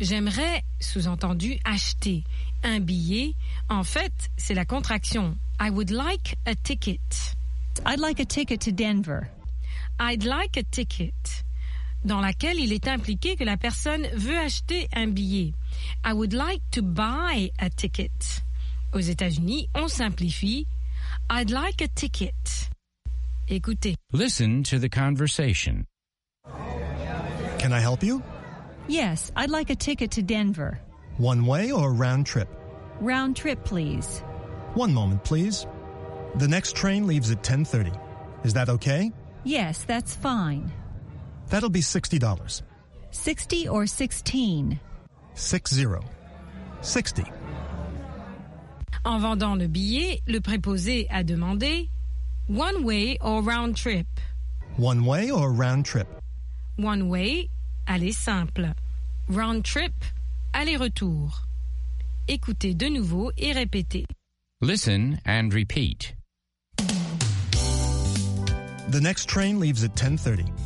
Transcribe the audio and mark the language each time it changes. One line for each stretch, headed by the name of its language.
French: J'aimerais, sous-entendu, acheter un billet. En fait, c'est la contraction «
English: I would like a ticket ». « I'd like a ticket to Denver ».« I'd like a ticket
French: », dans laquelle il est impliqué que la personne veut acheter un billet.
English: « I would like to buy a ticket ».
French: Aux États-Unis, on simplifie «
English: I'd like a ticket.
French: Écoutez.
English: Listen to the conversation. Can I help you? Yes, I'd like a ticket to Denver. One way or round trip? Round trip, please. One moment, please. The next train leaves at 10:30. Is that okay? Yes, that's fine. That'll be $60. 60 or 16? 60. 60.
French: En vendant le billet, le préposé a demandé «
English: One way or round trip ?»« One way or round trip ?»« One way,
French: aller simple.
English: Round trip,
French: aller-retour. Écoutez de nouveau et répétez.
English: Listen and repeat. The next train leaves at 10:30.